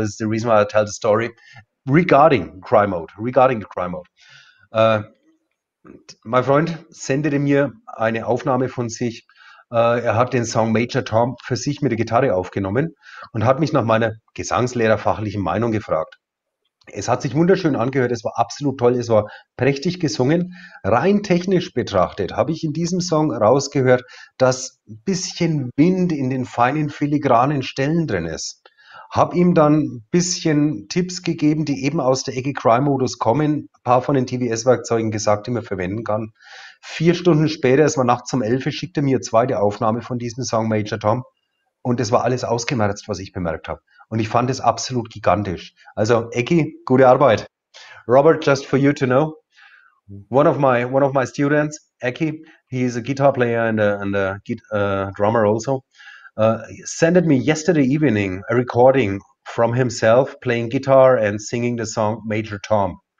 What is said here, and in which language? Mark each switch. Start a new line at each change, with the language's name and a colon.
English: This is the reason why I tell the story regarding Cry Mode, regarding the Cry Mode.
German: Mein Freund sendete mir eine Aufnahme von sich. Er hat den Song Major Tom für sich mit der Gitarre aufgenommen und hat mich nach meiner gesangslehrerfachlichen Meinung gefragt. Es hat sich wunderschön angehört, es war absolut toll, es war prächtig gesungen. Rein technisch betrachtet habe ich in diesem Song rausgehört, dass ein bisschen Wind in den feinen filigranen Stellen drin ist. Habe ihm dann ein bisschen Tipps gegeben, die eben aus der Ecke Cry-Modus kommen, ein paar von den TVS-Werkzeugen gesagt, die man verwenden kann. 4 Stunden später, es war nachts um 11, schickte mir eine zweite Aufnahme von diesem Song Major Tom und es war alles ausgemerzt, was ich bemerkt habe. Und ich fand es absolut gigantisch. Also Ecki, gute Arbeit.
English: Robert, just for you to know, one of my students, Ecki, he is a guitar player and a drummer also, sent me yesterday evening a recording from himself playing guitar and singing the song Major Tom.